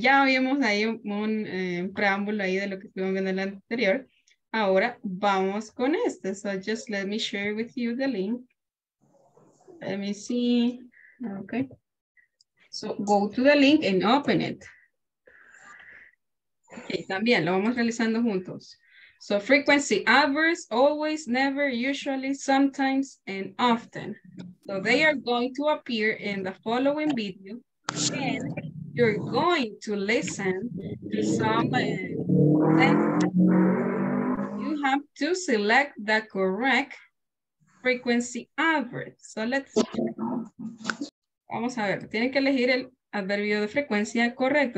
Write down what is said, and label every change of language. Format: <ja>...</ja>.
<es>Ya habíamos ahí un preámbulo ahí de lo que estuvimos viendo en el anterior. Ahora vamos con este.</es> <en>So just let me share with you the link. Let me see. Ok. So go to the link and open it. Okay,</en> <es>también lo vamos realizando juntos.</es> <en>So frequency, adverbs, always, never, usually, sometimes, and often. So they are going to appear in the following video. And you're going to listen to some sentences. You have to select the correct frequency adverb. So let's check.</en> <es>Vamos a ver, tienen que elegir el adverbio de frecuencia correcto.</es>